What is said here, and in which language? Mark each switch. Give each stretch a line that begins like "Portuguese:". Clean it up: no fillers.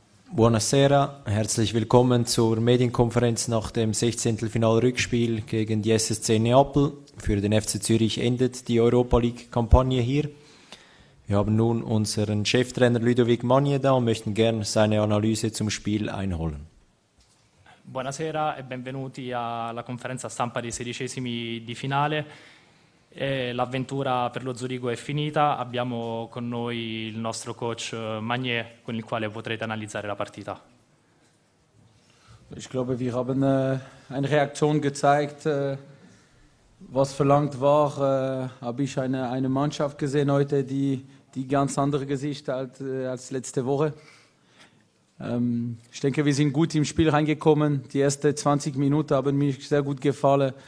Italian: Buonasera,
German: herzlich willkommen zur Medienkonferenz nach dem 16. Finalrückspiel gegen die SSC Neapel. Für den FC Zürich endet die Europa League-Kampagne hier. Wir haben nun unseren Cheftrainer Ludovic Magne da und möchten gern seine Analyse zum Spiel einholen.
Italian: Buonasera e benvenuti alla conferenza stampa dei sedicesimi di finale. L'avventura per lo Zurigo è finita, abbiamo con noi il nostro coach Magnier con il quale potrete analizzare la partita.
German: Ich glaube, wir haben eine Reaktion gezeigt. Was verlangt war, habe ich eine Mannschaft gesehen heute, die ganz andere Gesichter als letzte Woche. Ich denke, wir sind gut im Spiel reingekommen. Die ersten 20 Minuten haben mir sehr gut gefallen.